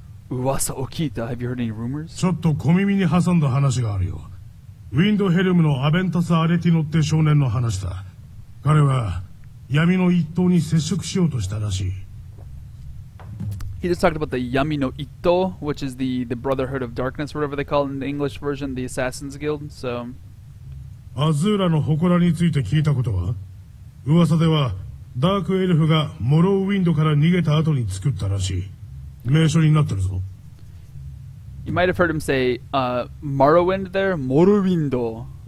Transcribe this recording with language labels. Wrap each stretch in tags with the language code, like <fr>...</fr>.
<ja>Uwasa o kiita,</ja> <en>have you heard any rumors?</en> <ja>Chotto komimi ni hasanda hanashi ga aru yo. ウィンドヘルムのアベンタス・アレティノって少年の話だ。彼は闇の一党に接触しようとしたらしい。</ja> <en>He just talked about the 闇の一党, which is the Brotherhood of Darkness, whatever they call it in the English version, the Assassin's Guild, so...</en> <ja>アズーラの祠について聞いたことは?噂ではダークエルフがモロウウィンドから逃げた後に作ったらしい。名所になってるぞ。</ja> <en>You might have heard him say Morrowind there, Morrowindo.</en>